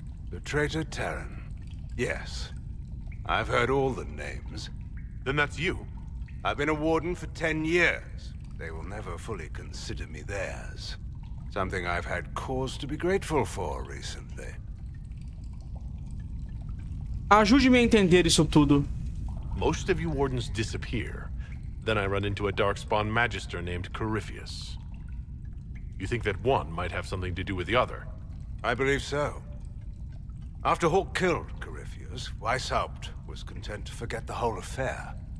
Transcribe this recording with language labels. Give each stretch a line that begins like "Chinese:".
English: The traitor Terran. Yes. I've heard all the names. Then that's you. I've been a Warden for 10 years. They will never fully consider me theirs. Something I've had cause to be grateful for recently.
Portuguese: Ajude-me a entender isso tudo.
English: Most of you Wardens disappear. Then I run into a Darkspawn Magister named Corypheus. You think that one might have something to do with the other? I believe so. After Hawk killed Corypheus, Weishaupt was content to forget the whole affair.